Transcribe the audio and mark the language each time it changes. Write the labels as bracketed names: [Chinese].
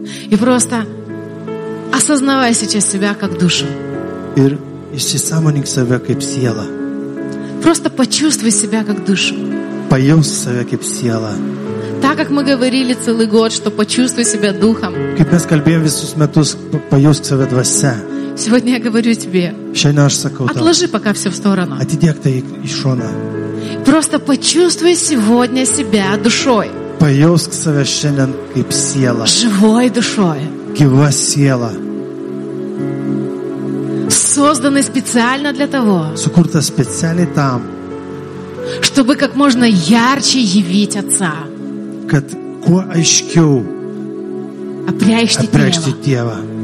[Russian] И просто осознавай сейчас себя как душу. [Lithuanian] Ir įsisąmonink save kaip sielą. [Russian] Просто почувствуй себя как душу. [Lithuanian] Pajausk save kaip sielą. [Russian] Так как мы говорили целый год, что почувствуй себя духом. [Lithuanian] Kaip mes kalbėjom visus metus, pajausk save dvasia. [Russian] Сегодня я говорю тебе. [Lithuanian] Šiandien aš sakau tau. [Russian] Отложи пока все в сторону. [Lithuanian] Atidėk tai į šoną. [Russian] Просто почувствуй сегодня себя душой. [Lithuanian] Pajausk save šiandien kaip sielą. [Russian] Живой душой. [Lithuanian] Gyva siela. [Russian] Созданы специально для того. [Lithuanian] Сукурта специально там. [Russian] Чтобы как можно ярче явить Отца. [Lithuanian] Kad kuo aiškiau. Apreikšti Dievą.